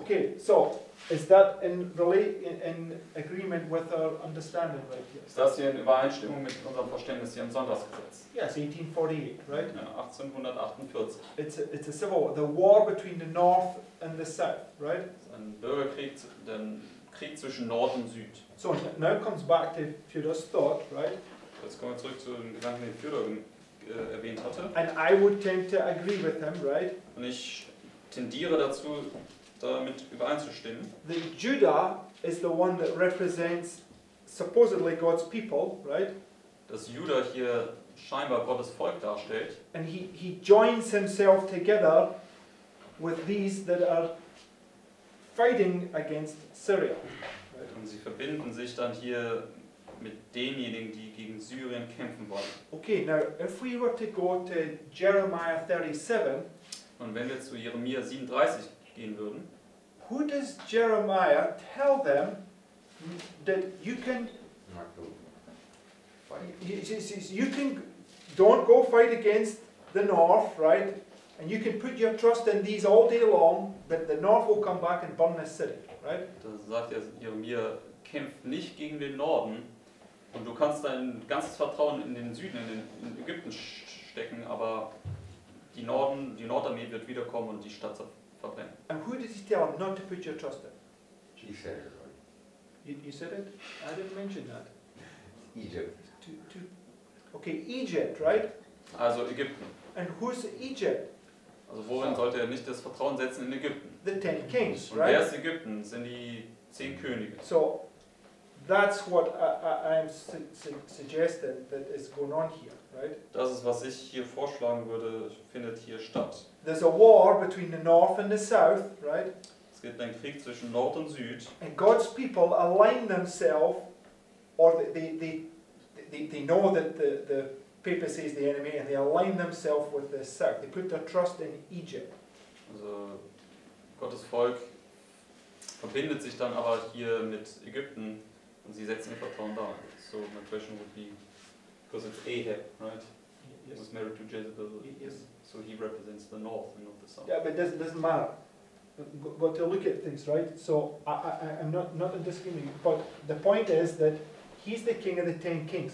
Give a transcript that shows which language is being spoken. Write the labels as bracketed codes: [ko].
[en] Okay, so is that in agreement with our understanding right here? [de] Ist das hier in Übereinstimmung mit unserem Verständnis hier im Sonntagsgesetz? [en] Yes, 1848, right? [de] Ja, 1848. [en] It's a civil war, the war between the north and the south, right? [de] Ein Bürgerkrieg, den Krieg zwischen Nord und Süd. [en] So now comes back to Fyodor's thought, right? [de] Jetzt kommen wir zurück zu dem Gedanken, den Fyodor erwähnt hatte. [en] And I would tend to agree with him, right? [de] Und ich tendiere dazu, damit übereinzustimmen. [en] The Judah is the one that represents supposedly God's people, right? [de] Dass Judah hier scheinbar Gottes Volk darstellt. [en] And he joins himself together with these that are fighting against Syria. Right? [de] Und sie verbinden sich dann hier mit denjenigen, die gegen Syrien kämpfen wollen. [en] Okay, now if we were to go to Jeremiah 37. [de] Und wenn wir zu Jeremia 37 gehen würden. [en] Who does Jeremiah tell them that you can? You can don't go fight against the north, right? And you can put your trust in these all day long, but the north will come back and burn this city, right? [de] Da sagt Jeremia, kämpf nicht gegen den Norden und du kannst dein ganzes Vertrauen in den Süden, in Ägypten stecken, aber die Nordarmee wird wiederkommen und die Stadt verbrennen. [en] And who did he tell him not to put your trust in? He said it already. You said it? I didn't mention that. Egypt. Okay, Egypt, right? [de] Also Ägypten. [en] And who's Egypt? [de] Also worin sollte nicht das Vertrauen setzen in Ägypten? [en] The ten kings, [de] und [en] right? [de] Wer ist Ägypten? Sind die 10 Könige. [en] So, that's what I'm suggesting that is going on here, right? [de] Das ist, was ich hier vorschlagen würde, findet hier statt. [en] There's a war between the north and the south, right? [de] Es gibt einen Krieg zwischen Nord und Süd. [en] And God's people align themselves, or they know that the papacy is the enemy, and they align themselves with the south. They put their trust in Egypt. [de] Also, Gottes Volk verbindet sich dann aber hier mit Ägypten und sie setzen ihr Vertrauen da. [en] So my question would be, because it's Ahab, right? Yes. He was married to Jezebel. Yes. So he represents the north and not the south. Yeah, but it doesn't matter. Got to look at things, right? So I'm not in disagreement, but the point is that he's the king of the ten kings.